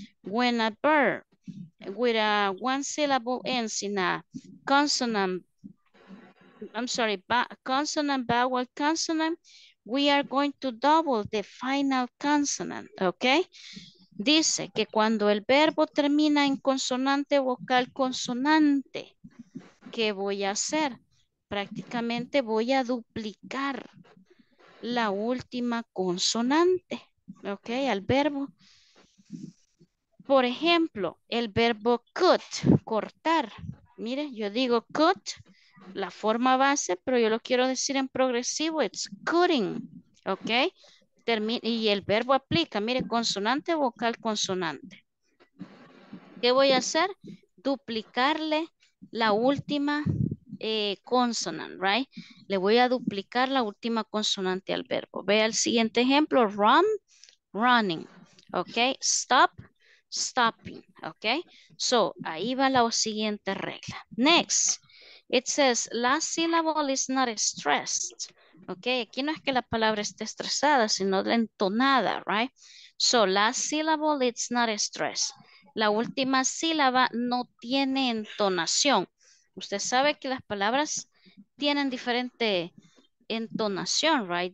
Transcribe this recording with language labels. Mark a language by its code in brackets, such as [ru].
[en] When a verb with a one syllable ends in a consonant, I'm sorry, consonant, vowel, consonant, we are going to double the final consonant, ok? [es] Dice que cuando el verbo termina en consonante, vocal, consonante, ¿qué voy a hacer? Prácticamente voy a duplicar la última consonante, ¿ok? Al verbo. Por ejemplo, el verbo cut, cortar. Mire, yo digo cut, la forma base, pero yo lo quiero decir en progresivo, [en] it's cutting, [es] ¿ok? Y el verbo aplica, mire, consonante, vocal, consonante. ¿Qué voy a hacer? Duplicarle la última consonante, right? Le voy a duplicar la última consonante al verbo. Vea el siguiente ejemplo, run, running, ¿ok? Stop, stopping, ¿ok? So, ahí va la siguiente regla. [en] Next, it says, last syllable is not stressed. [es] Ok, aquí no es que la palabra esté estresada, sino la entonada, right? So, [en] last syllable, it's not stressed. [es] La última sílaba no tiene entonación. Usted sabe que las palabras tienen diferente entonación, right?